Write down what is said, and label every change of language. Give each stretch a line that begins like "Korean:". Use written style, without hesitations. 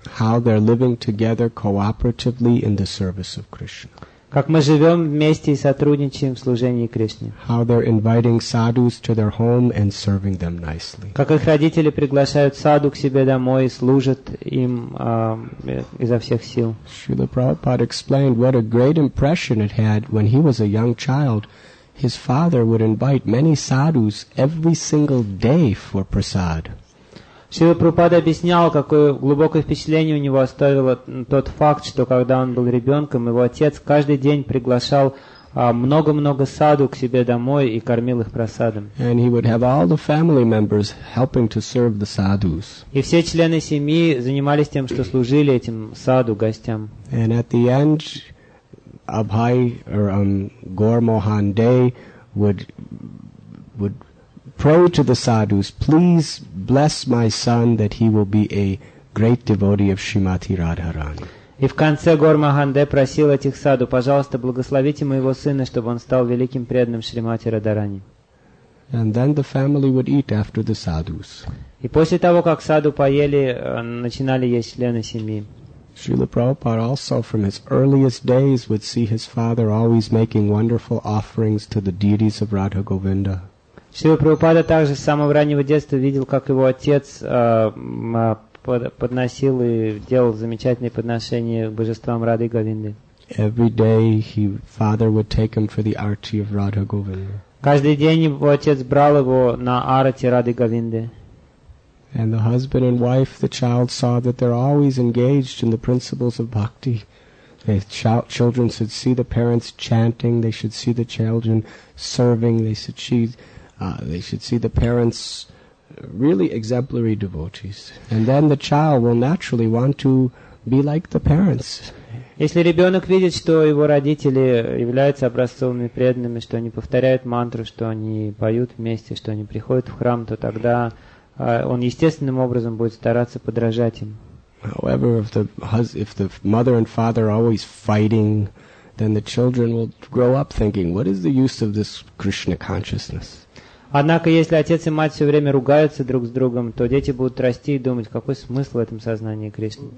English: How they're living together cooperatively in the service of Krishna.
Russian: Как мы живем вместе и сотрудничаем в служении Кришне.
English: How they're inviting sadhus to their home and serving them nicely.
Russian: Как их родители приглашают саду к себе домой и служат им изо всех сил.
English: Srila Prabhupada explained what a great impression it had when he was a young child. His father would invite many sadhus every single day for prasad.
Russian: Шрила Прабхупада объяснял, какое глубокое впечатление у него оставило тот факт, что когда он был ребенком, его отец каждый день приглашал много-много саду к себе домой и кормил их просадом. И все члены семьи занимались тем, что служили этим саду, гостям. И в конце
English: Абхай
Russian: или
English: Гор Мохан Дей would pray to the sadhus, please bless my son that he will be a great devotee of Shrimati Radharani.
Russian: И в конце Гор Маханде просил этих саду, пожалуйста, благословите моего сына, чтобы он стал великим преданным Шримати Радхарани.
English: And then the family would eat after the sadhus.
Russian: И после того, как саду поели, начинали есть члены семьи.
English: Srila Prabhupada also from his earliest days would see his father always making wonderful offerings to the deities of Radha Govinda.
Russian: Шрила Прабхупада также с самого раннего детства видел, как его отец подносил и делал замечательные подношения божествам Рады и Говинды.
English: Every day his father would take him for the arti of Radha Govinda.
Russian: Каждый день его отец брал его на арати Рады и Говинды.
English: And the husband and wife, the child saw that they're always engaged in the principles of bhakti. The children should see the parents chanting, they should see the children serving, they should see the parents really exemplary devotees. And then the child will naturally want to be like the parents.
Russian: Если ребенок видит, что его родители являются образцовыми преданными, что они повторяют мантру, что они поют вместе, что они приходят в храм, то тогда он естественным образом будет стараться подражать им.
English: However, if the mother and father are always fighting, then the children will grow up thinking, what is the use of this Krishna consciousness?
Russian: Однако, если отец и мать все время ругаются друг с другом, то дети будут расти и думать, какой смысл в этом сознании Кришны.